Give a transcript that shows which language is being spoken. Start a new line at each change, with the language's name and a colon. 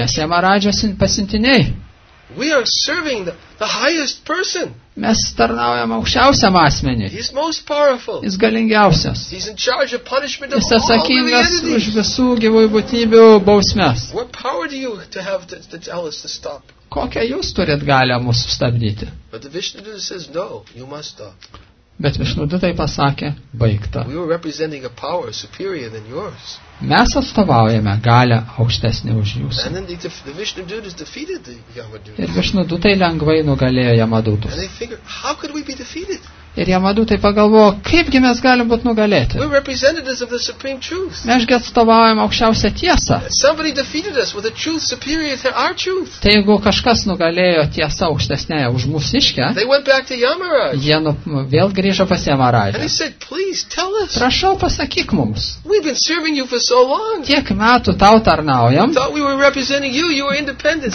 Lithuanian: Mes Yamaradžio pasiuntiniai.
English: We are serving the highest person.
Lithuanian: Mes tarnaujam aukščiausiam asmeniui.
English: He's most powerful.
Lithuanian: Jis galingiausias.
English: He's in charge of punishment of all living entities.
Lithuanian: Jis atsakingas už visų gyvųjų būtybių bausmes.
English: What power do you have to tell us to stop?
Lithuanian: Kokią jūs turit galią mus sustabdyti?
English: But the Vishnu says no, you must stop.
Lithuanian: Bet Vishnu tai pasakė, baigta.
English: We were representing a power superior than yours.
Lithuanian: Mes atstovaujame galią aukštesnį už jūsų.
English: And then the Vishnu Dutas defeated the Yamadutas.
Lithuanian: Ir Vishnu Dutai lengvai nugalėjo Yamadutus.
English: And they figured, how could we be defeated?
Lithuanian: Ir Yamadutai pagalvojo, kaipgi mes galim būt nugalėti.
English: We're representatives of the supreme truth.
Lithuanian: Mesgi atstovaujame aukščiausią tiesą.
English: Somebody defeated us with a truth superior to our truth.
Lithuanian: Tai jeigu kažkas nugalėjo tiesą aukštesnėje už mūsiškę,
English: they went back to Yamaraj.
Lithuanian: Jie vėl grįžo pas Yamaradžą.
English: And he said, please tell us.
Lithuanian: Prašau, pasakyk mums.
English: We've been serving you for so long.
Lithuanian: Tiek metų tau tarnaujam.
English: Thought we were representing you, you were independent.